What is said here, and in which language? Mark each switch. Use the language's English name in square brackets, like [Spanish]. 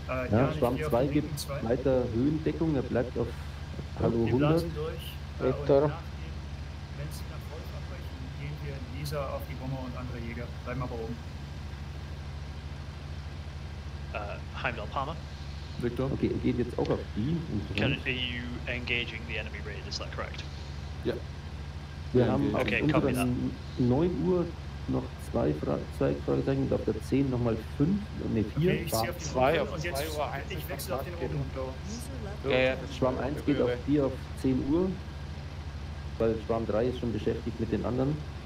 [German] Ja, Schwarm 2 gibt weiter Höhendeckung, er bleibt auf Halo 100. Victor. Wenn sie nach Rolf abbrechen, gehen wir in Lisa auf die Bomber und andere Jäger. Bleiben aber oben. Heimdall Palmer. Victor. Okay, er geht jetzt auch auf die. [English] Are you engaging the enemy raid, is that correct? [German] Ja. Wir haben auf unserer 9 Uhr noch zwei Fragezeichen und auf der 10 nochmal 5, ne 4. Okay, ich ziehe auf 2 Uhr 1. Ich wechsle auf den Rundum. Ja, Schwarm 1 geht auf die auf 10 Uhr, weil Schwarm 3 ist schon beschäftigt mit den anderen.